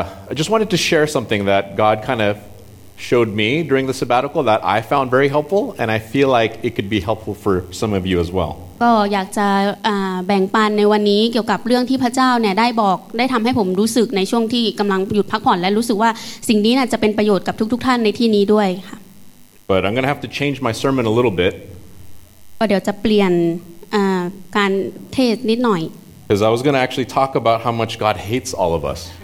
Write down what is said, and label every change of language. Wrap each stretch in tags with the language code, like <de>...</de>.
<en>I just wanted to share something that God kind of showed me during the sabbatical that I found very helpful and I feel like it could be helpful for some of you as well.</en> <th>ก็อยากจะแบ่งปันในวันนี้เกี่ยวกับเรื่องที่พระเจ้าเนี่ยได้บอกได้ทำให้ผมรู้สึกในช่วงที่กำลังหยุดพักผ่อนและรู้สึกว่าสิ่งนี้น่ะจะเป็นประโยชน์กับทุกๆท่านในที่นี้ด้วยค่ะ</th> <en>But I'm going to have to change my sermon a little bit</en> <th>ก็เดี๋ยวจะเปลี่ยนการเทศนิดหน่อย</th> <en>Because I was going to actually talk about how much God hates all of us</en>